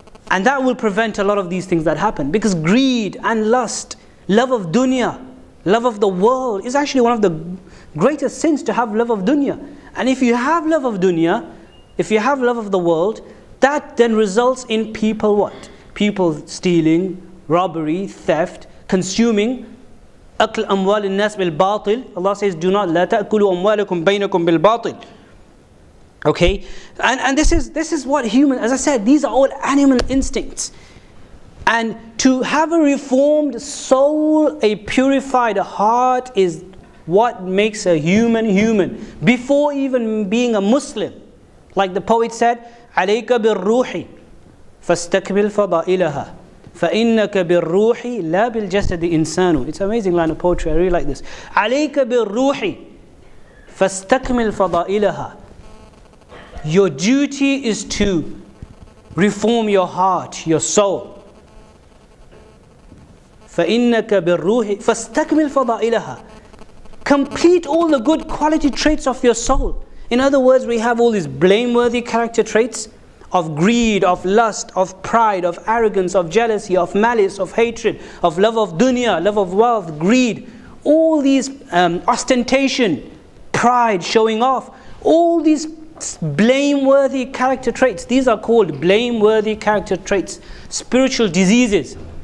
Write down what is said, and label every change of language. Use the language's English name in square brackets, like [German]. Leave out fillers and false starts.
[English] And that will prevent a lot of these things that happen. Because greed and lust, love of dunya, love of the world, is actually one of the greatest sins, to have love of dunya. And if you have love of dunya, if you have love of the world, that then results in people what? People stealing, robbery, theft, consuming. [Arabic] أكل أموال الناس بالباطل. [English] Allah says, do not, [Arabic] لا تأكلوا أموالكم بينكم بالباطل. [English] Okay? And this is what human, as I said, these are all animal instincts. And to have a reformed soul, a purified heart, is what makes a human human. Before even being a Muslim. Like the poet said, [Arabic] عليك بالروح فاستكمل فضائلها فإنك بالروح لا بالجسد إنسان. [English] It's an amazing line of poetry. I really like this. [Arabic] عليك بالروح فاستكمل فضائلها. [English] Your duty is to reform your heart, your soul. [Arabic] فإنك بالروح فاستكمل فضائلها. [English] Complete all the good quality traits of your soul. In other words, we have all these blameworthy character traits of greed, of lust, of pride, of arrogance, of jealousy, of malice, of hatred, of love of dunya, love of wealth, greed, all these ostentation, pride, showing off, all these blameworthy character traits, these are called blameworthy character traits, spiritual diseases.